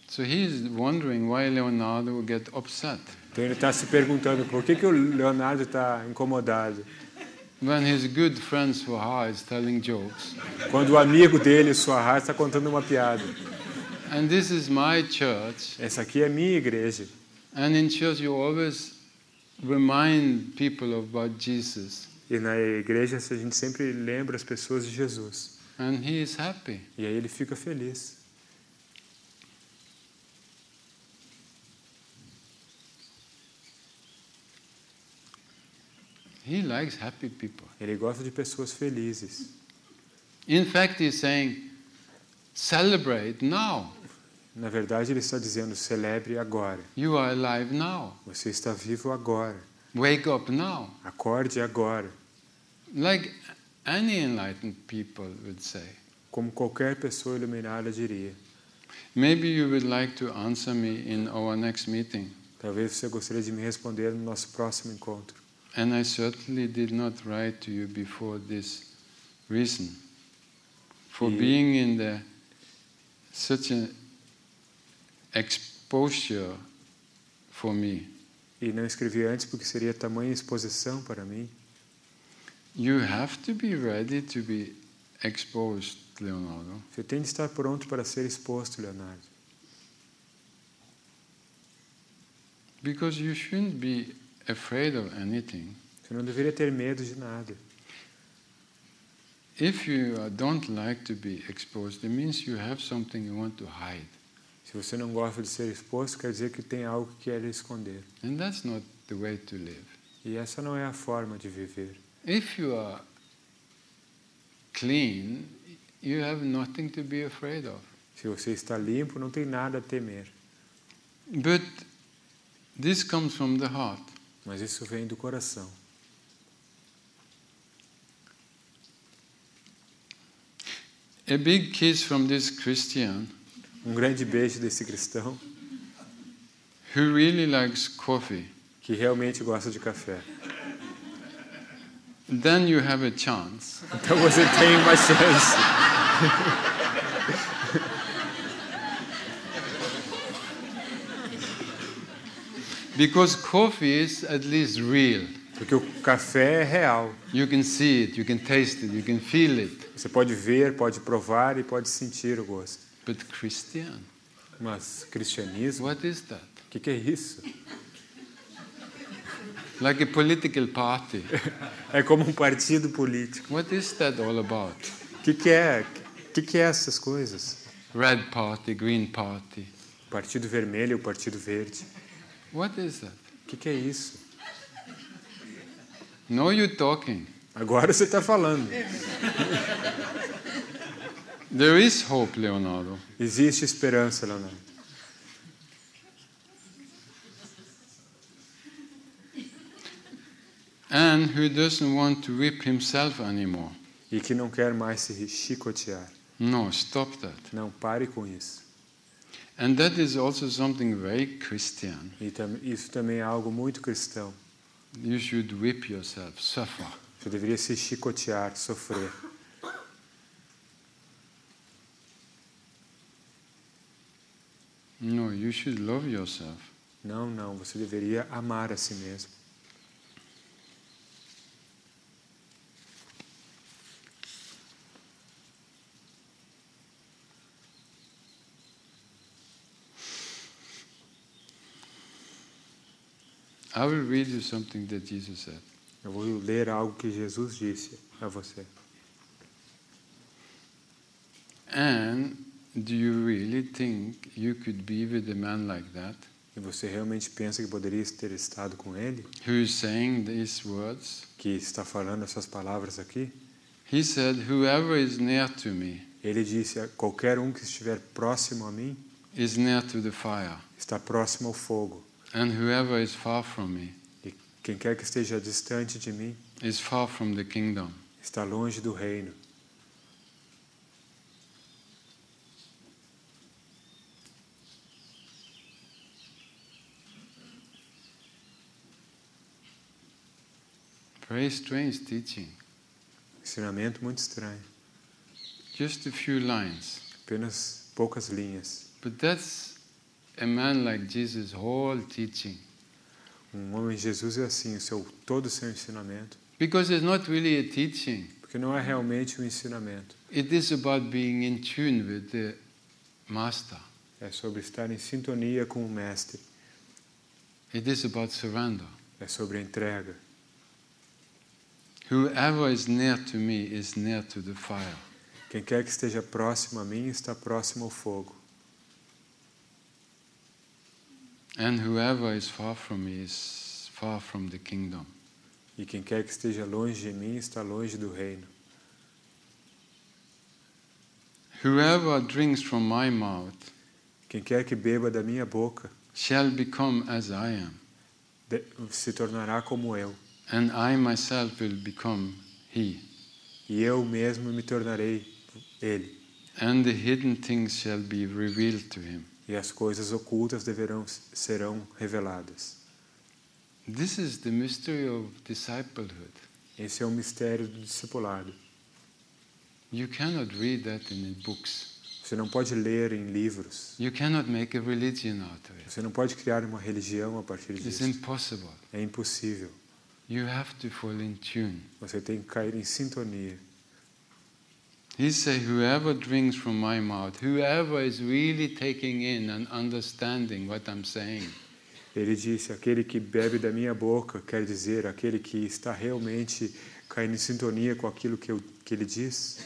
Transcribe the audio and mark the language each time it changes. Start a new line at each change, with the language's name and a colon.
English: So he is wondering why Leonardo would get upset.
Portuguese: Então ele está se perguntando por que o Leonardo está incomodado.
English: When his good friend Swaha is telling jokes.
Portuguese: Quando o amigo dele, Swaha, está contando uma piada.
English: And this is my church.
Portuguese: Essa aqui é minha igreja.
English: And in church you always remind people about Jesus.
Portuguese: E na igreja a gente sempre lembra as pessoas de Jesus.
English: And he is happy.
Portuguese: E aí ele fica feliz.
English: He He likes happy people.
Portuguese: Ele gosta de pessoas felizes.
English: In fact, he's saying, celebrate now.
Portuguese: Na verdade, ele está dizendo, celebre agora.
English: You are alive now.
Portuguese: Você está vivo agora.
English: Wake up now.
Portuguese: Acorde agora.
English: Like any enlightened people would say.
Portuguese: Como qualquer pessoa iluminada diria.
English: Maybe you would like to answer me in our next meeting.
Portuguese: Talvez você gostaria de me responder no nosso próximo encontro.
English: And I certainly did not write to you before this reason for being in the such an exposure for me.
Portuguese: E não escrevi antes porque seria tamanha exposição para mim.
English: You have to be ready to be exposed, Leonardo.
Portuguese: Você tem de estar pronto para ser exposto, Leonardo.
English: Because you shouldn't be afraid of anything.
Portuguese: Você não deveria ter medo de nada.
English: If you don't like to be exposed, it means you have something you want to hide.
Portuguese: Se você não gosta de ser exposto, quer dizer que tem algo que quer esconder.
English: And that's not the way to live.
Portuguese: E essa não é a forma de viver.
English: If you are clean, you have nothing to be afraid of.
Portuguese: Se você está limpo, não tem nada a temer.
English: But this comes from the heart.
Portuguese: Mas isso vem do coração.
English: A big kiss from this Christian.
Portuguese: Um grande beijo desse cristão.
English: Who really likes coffee.
Portuguese: Que realmente gosta de café.
English: Then you have a chance.
Portuguese: Então você tem uma chance.
English: Because coffee is at least real.
Portuguese: Porque o café é real.
English: You can see it, you can taste it, you can feel it.
Portuguese: Você pode ver, pode provar e pode sentir o gosto.
English: But Christian.
Portuguese: Mas cristianismo?
English: What is that?
Portuguese: Que é isso?
English: Like a political party.
Portuguese: É como um partido político.
English: What is that all about?
Portuguese: Que é essas coisas?
English: Red party, green party.
Portuguese: Partido vermelho ou partido verde?
English: What is that?
Portuguese: Que é isso?
English: Now you're talking.
Portuguese: Agora você está falando.
English: There is hope, Leonardo.
Portuguese: Existe esperança, Leonardo.
English: And who doesn't want to whip himself anymore?
Portuguese: E que não quer mais se chicotear.
English: No, stop that.
Portuguese: Não, pare com isso.
English: And that is also something very Christian.
Portuguese: Isso também é algo muito cristão.
English: You should whip yourself, suffer.
Portuguese: Você deveria se chicotear, sofrer.
English: No, you should love yourself.
Portuguese: Não, você deveria amar a si mesmo.
English: I will read you something that Jesus said.
Portuguese: Eu vou ler algo que Jesus disse a você.
English: And do you really think you could be with a man like that?
Portuguese: E você realmente pensa que poderia ter estado com ele?
English: Who is saying these words?
Portuguese: Que está falando essas palavras aqui?
English: He said, "Whoever is near to me."
Portuguese: Ele disse, qualquer um que estiver próximo a mim.
English: Is near to the fire.
Portuguese: Está próximo ao fogo.
English: And whoever is far from me.
Portuguese: E quem quer que esteja distante de mim.
English: Is far from the kingdom.
Portuguese: Está longe do reino.
English: Very strange teaching.
Portuguese: Ensinamento muito estranho.
English: Just a few lines.
Portuguese: Apenas poucas linhas.
English: But that's a man like Jesus' whole teaching.
Portuguese: Um homem Jesus é assim, todo seu ensinamento.
English: Because it's not really a teaching.
Portuguese: Porque não é realmente um ensinamento.
English: It is about being in tune with the master.
Portuguese: É sobre estar em sintonia com o mestre.
English: It is about surrender.
Portuguese: É sobre a entrega.
English: Whoever is near to me is near to the fire.
Portuguese: Quem quer que esteja próximo a mim está próximo ao fogo.
English: And whoever is far from me is far from the kingdom.
Portuguese: E quem quer que esteja longe de mim está longe do reino.
English: Whoever drinks from my mouth,
Portuguese: quem quer que beba da minha boca,
English: shall become as I am,
Portuguese: se tornará como eu.
English: And I myself will become he.
Portuguese: E eu mesmo me tornarei ele.
English: And the hidden things shall be revealed to him.
Portuguese: E as coisas ocultas serão reveladas.
English: This is the mystery of discipleship.
Portuguese: Esse é o mistério do discipulado.
English: You cannot read that in books.
Portuguese: Você não pode ler em livros.
English: You cannot make a religion out of it.
Portuguese: Você não pode criar uma religião a partir disso.
English: It's impossible.
Portuguese: É impossível.
English: You have to fall in tune.
Portuguese: Você tem que cair em sintonia.
English: He says, whoever drinks from my mouth, whoever is really taking in and understanding what I'm saying.
Portuguese: Ele disse, aquele que bebe da minha boca, quer dizer, aquele que está realmente caindo em sintonia com aquilo que ele diz,